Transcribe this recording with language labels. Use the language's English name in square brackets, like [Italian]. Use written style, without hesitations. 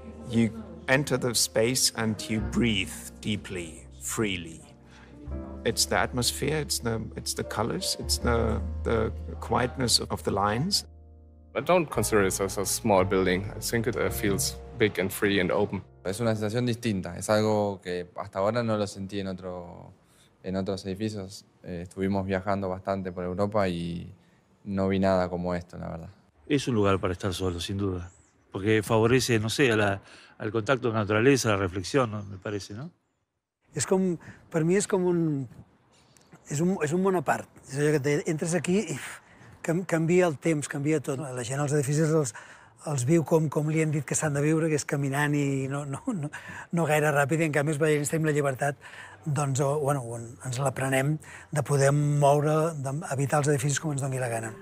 [English] You enter the space and you breathe deeply. Freely. It's the atmosphere, it's the colors, it's the quietness of the lines. I don't consider it as a small building. I think it feels big and free and open. [Spanish] Es una sensación distinta, es algo que hasta ahora no lo sentí en otros edificios. Estuvimos viajando bastante por Europa y no vi nada como esto, la verdad. Es un lugar para estar solo, sin duda, porque favorece, no sé, al contacto con la naturaleza, la reflexión, ¿no? Me parece, ¿no? Es como, para mí es como un, es un, es un monopart. [Catalan] Es allò que entres aquí i canvia el temps, canvia tot. La gent als edificis els viu com li han dit que s'han de viure, que és caminant i no gaire ràpid, i en canvi els veïns tenim la llibertat, doncs, ens l'aprenem de poder moure, d'habitar els edificis com ens doni la gana.